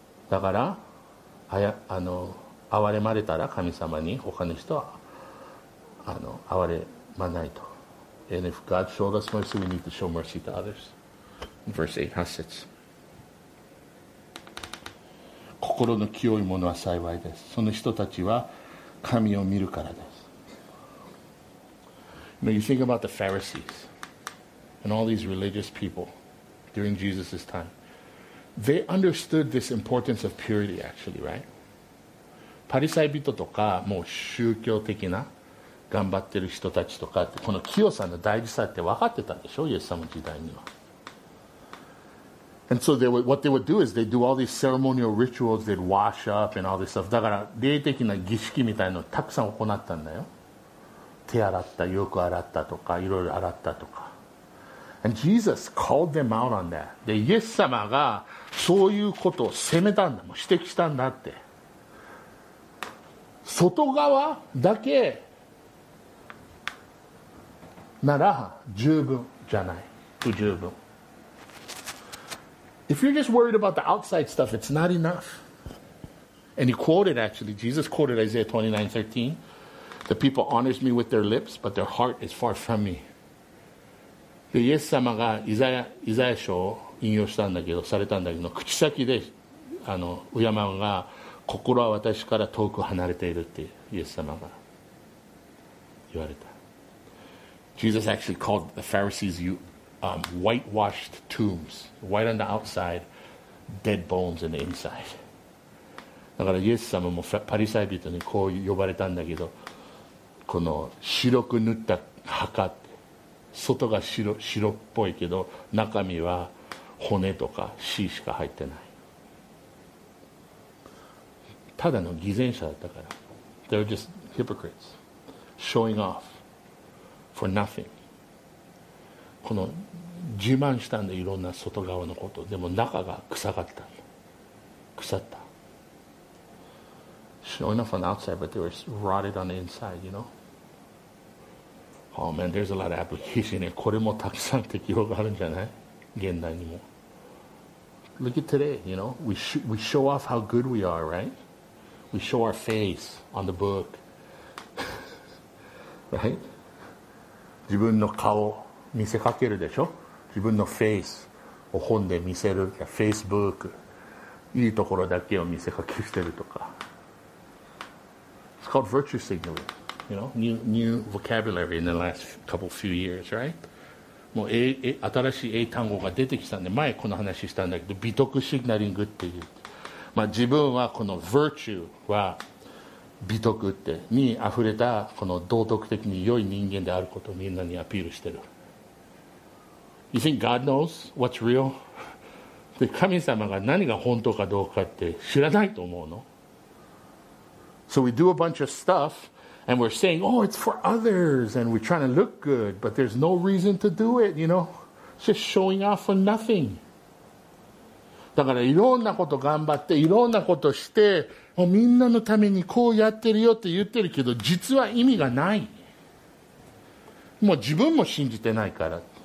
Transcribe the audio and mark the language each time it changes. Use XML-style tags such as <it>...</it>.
<ja>だから憐れまれたら神様に他の人は憐れまないと。</ja> <en>And if God showed us mercy, we need to show mercy to others. Verse 8,</en> <ja>8節。心の清いものは幸いです。その人たちは神を見るからです。</ja> <en>Now you think about the Pharisees and all these religious people during Jesus' time. They understood this importance of purity actually, right?</en> <ja>パリサイ人とかもう宗教的な頑張ってる人たちとかって、この清さの大事さって分かってたでしょ、イエス様の時代には。</ja> <en>And so they would, what they would do is they'd do all these ceremonial rituals. They'd wash up and all this stuff.</en> <ja>だから霊的な儀式みたいなのをたくさん行ったんだよ。手洗った、よく洗ったとか、いろいろ洗ったとか。</ja> <en>And Jesus called them out on that.</en> <ja>で、イエス様がそういうことを責めたんだ、もう指摘したんだって。外側だけなら十分じゃない。不十分。</ja> <en>If you're just worried about the outside stuff, it's not enough. And he quoted, actually, Jesus quoted Isaiah 29:13. The people honors me with their lips, but their heart is far from me.</en> <ja>で、イエス様がイザヤ書を引用したんだけど、されたんだけど、口先で、敬うが、心は私から遠く離れているって、イエス様が言われた。</ja> <en>Jesus actually called the Pharisees whitewashed tombs, white on the outside, dead bones in the inside.</en> <ja>だからイエス様もパリサイ人にこう呼ばれたんだけど、この白く塗った墓って、外が白っぽいけど、中身は骨とか死しか入ってない。ただの偽善者だったから。</ja> <en>They're just hypocrites, showing off for nothing.</en> <ja>この自慢したんで、いろんな外側のこと、でも中が臭かった、腐った。</ja> <en>Showing off on the outside, but they were rotted on the inside, you know. Oh man, there's a lot of application here.</en> <ja>これもたくさん適用があるんじゃない、現代にも。</ja> <en>Look at today, you know. We show off how good we are, right? We show our face on the book. Right?</en> <ja>自分の顔見せかけるでしょ、自分のフェイスを本で見せる、フェイスブック、いいところだけを見せかけしてるとか。</ja> <en>It's called virtue signaling, you know, new vocabulary in the last couple few years, right?</en> <ja>もう新しい英単語が出てきたんで、前この話したんだけど、美徳シグナリングっていう、まあ、自分はこの virtue は美徳ってに溢れた、この道徳的に良い人間であることをみんなにアピールしてる。</ja> <en>You think God knows what's real?</en> <ja>で、神様が何が本当かどうかって知らないと思うの?</ja> <en>So we do a bunch of stuff and we're saying, oh, it's for others and we're trying to look good, but there's no reason to do it, you know? It's just showing off for nothing.</en> <ja>だからいろんなこと頑張って、いろんなことして、もうみんなのためにこうやってるよって言ってるけど、実は意味がない。もう自分も信じてないから。</ja>